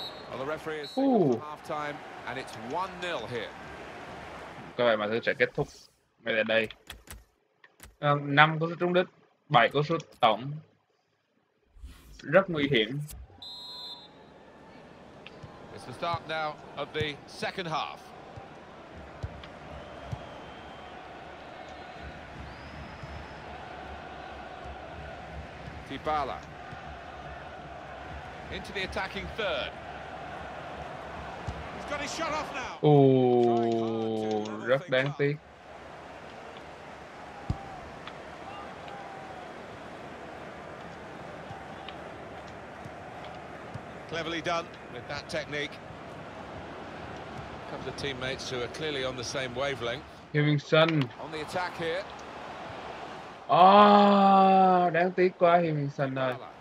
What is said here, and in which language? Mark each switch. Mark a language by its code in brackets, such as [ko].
[en] Well, the referee is through for half-time, and it's 1-0 here. [vi] Các bạn mà thử sẽ kết thúc ngay tại đây. 5 cú sút trúng đích, 7 cú sút tổng. Rất nguy hiểm. [en] It's the start now of the second half. Dybala into the attacking third. He's got his shot off now. [vi] Ooh, rất đáng tiếc. [en] Cleverly done with that technique. Comes the teammates who are clearly on the same wavelength. Hewinson on the attack here. [vi] Oh, đáng tiếc quá thì mình sân rồi.